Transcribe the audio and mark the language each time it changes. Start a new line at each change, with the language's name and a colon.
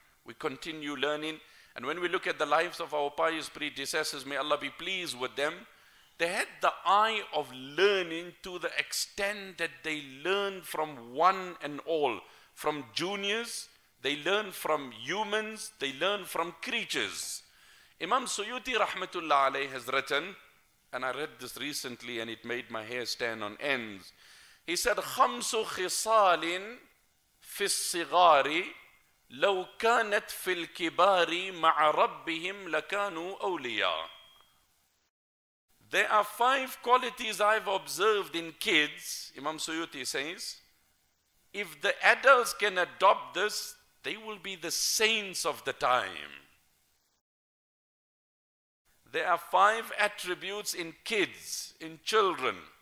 English: We continue learning. And when we look at the lives of our pious predecessors, may Allah be pleased with them, they had the eye of learning to the extent that they learned from one and all. From juniors, they learn from humans, they learn from creatures. Imam Suyuti rahmatullah alayh has written, and I read this recently and it made my hair stand on ends. He said,
Arabic: خَمْسُ خِصَالٍ فِي الصِّغَارِ لَوْ كَانَتْ فِي الْكِبَارِ مَعَ رَبِّهِمْ لَكَانُوا أَوْلِيَا.
English: There are five qualities I've observed in kids, Imam Suyuti says. If the adults can adopt this, they will be the saints of the time. There are five attributes in kids, in children.